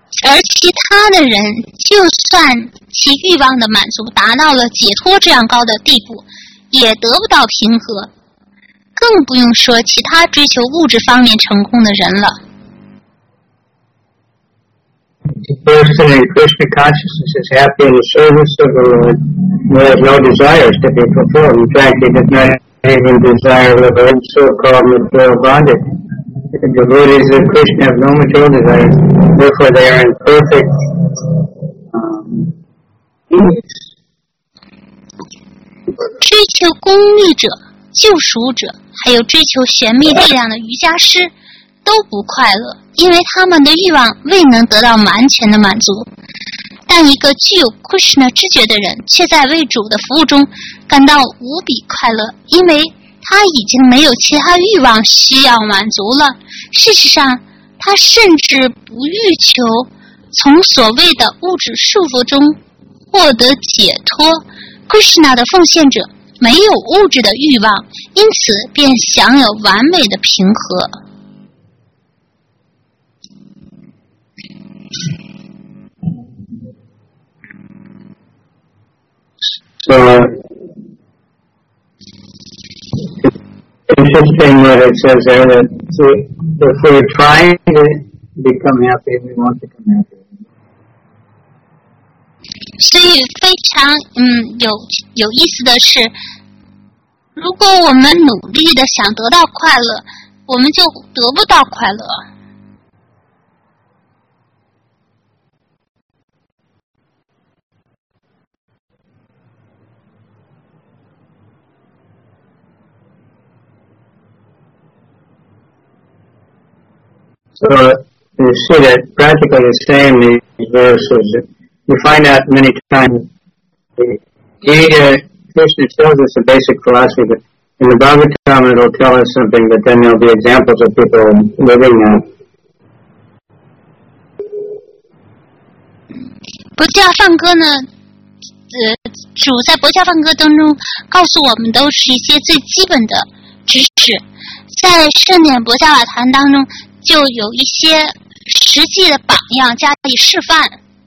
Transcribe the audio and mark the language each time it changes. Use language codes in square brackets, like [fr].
[zh] 而其他的人，就算其欲望的满足达到了解脱这样高的地步，也得不到平和，更不用说其他追求物质方面成功的人了。 [en] Person in Krishna consciousness is happy in the service of the Lord, who has no desires to be fulfilled. In fact, he does not even desire to live in so-called material bondage. The devotees of Krishna have no material desires, therefore they are in perfect peace. [zh] 追求功利者、救赎者，还有追求玄秘力量的瑜伽师都不快乐，因为他们的欲望未能得到完全的满足。但一个具有 Krishna 知觉的人，却在为主的服务中感到无比快乐，因为他已经没有其他欲望需要满足了。事实上，他甚至不欲求从所谓的物质束缚中获得解脱。 Krishna 的奉献者没有物质的欲望，因此便享有完美的平和。 [en] Interesting what it says there that see, if we're trying to become happy, we want to become happy. [zh] 所以非常有意思的是，如果我们努力的想得到快乐，我们就得不到快乐。 [en] So you see that practically the same these verses. You find out many times the Gita, Krishna tells us the basic philosophy, but in the Bhagavatam it will tell us something, but then there will be examples of people living that. [zh] 薄伽梵歌呢，主在薄伽梵歌当中告诉我们都是一些最基本的知识，在圣典薄伽瓦坛当中就有一些实际的榜样加以示范。